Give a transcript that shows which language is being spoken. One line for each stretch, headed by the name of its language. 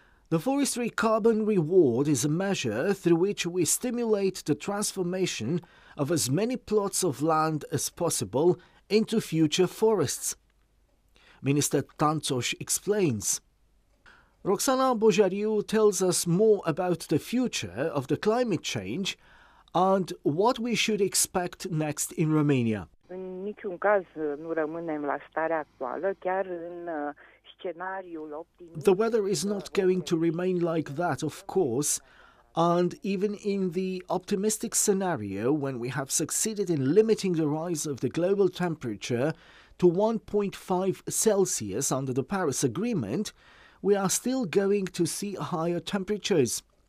English: The forestry carbon reward is a measure through which we stimulate the transformation of as many plots of land as possible into future forests, Minister Tantsos explains. Roxana Bojariu tells us more about the future of the climate change and what we should expect next in Romania.
Romanian: În niciun caz nu rămânem la starea actuală, chiar în scenariul optimist.
English: The weather is not going to remain like that, of course, and even in the optimistic scenario when we have succeeded in limiting the rise of the global temperature to 1.5 Celsius under the Paris Agreement, we are still going to see higher temperatures.